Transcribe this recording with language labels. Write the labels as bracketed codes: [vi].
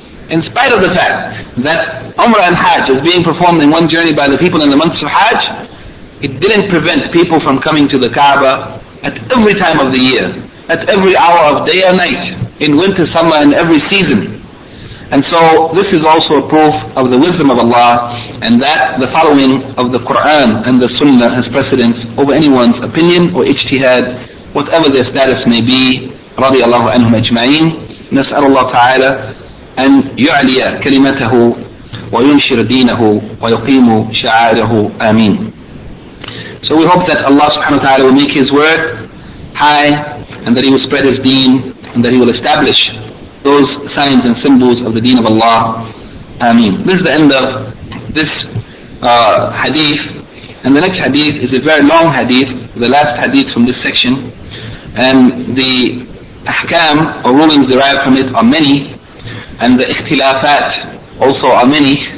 [en] In spite of the fact that Umrah and Hajj is being performed in one journey by the people in the months of Hajj, it didn't prevent people from coming to the Kaaba at every time of the year, at every hour of day or night, in winter, summer, and every season. And so this is also a proof of the wisdom of Allah and that the following of the Qur'an and the Sunnah has precedence over anyone's opinion or ijtihad, whatever their status may be, [ar] رضي الله عنهم أجمعين. نسأل الله تعالى أن يعلي كلمته وينشر دينه ويقيم شعائره آمين. [en] So we hope that Allah subhanahu wa ta'ala will make His word high, and that He will spread His deen, and that He will establish those signs and symbols of the deen of Allah. Ameen. This is the end of this hadith, and the next hadith is a very long hadith, the last hadith from this section, and the ahkam or rulings derived from it are many, and the ikhtilafat also are many.